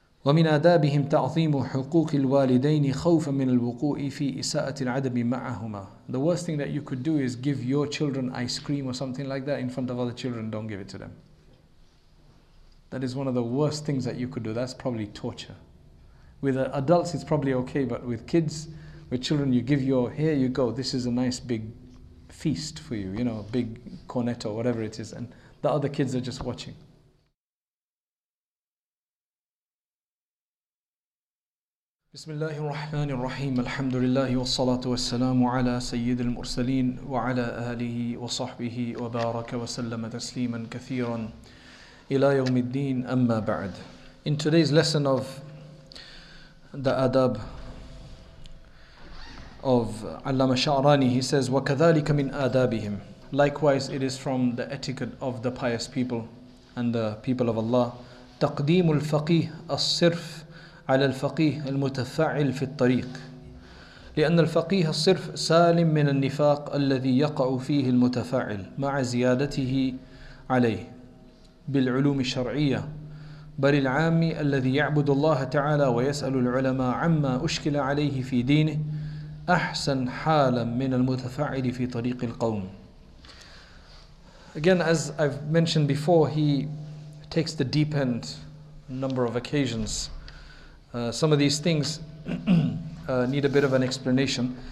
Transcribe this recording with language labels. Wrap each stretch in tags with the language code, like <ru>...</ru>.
<ar>ومن آدابهم تعظيم حقوق الوالدين خوفا من الوقوع في إساءة الأدب معهما.</ar> <en>The worst thing that you could do is give your children ice cream or something like that in front of other children. Don't give it to them. That is one of the worst things that you could do. That's probably torture. With adults, it's probably okay, but with kids, with children, you give your, here you go, this is a nice big feast for you, you know, big cornetto, whatever it is, and the other kids are just watching.</en> <ar>بسم الله الرحمن الرحيم الحمد لله والصلاة والسلام على سيد المرسلين وعلى آله وصحبه وبارك وسلم تسليما كثيرا إلى يوم الدين أما بعد.</ar> <en>In today's lesson of the adab of Allama Sha'rani, he says</en> <ar>وكذلك من آدابهم.</ar> <en>Likewise, it is from the etiquette of the pious people and the people of Allah</en> <ar>تقديم الفقيه الصرف على الفقيه المتفعل في الطريق لأن الفقيه الصرف سالم من النفاق الذي يقع فيه المتفعل مع زيادته عليه بالعلوم الشرعية بل العامي الذي يعبد الله تعالى ويسأل العلماء عما أشكل عليه في دينه أحسن حالا من المتفعل في طريق القوم.</ar> <en>Again, as I've mentioned before, he takes the deep end on a number of occasions. Some of these things need a bit of an explanation.</en>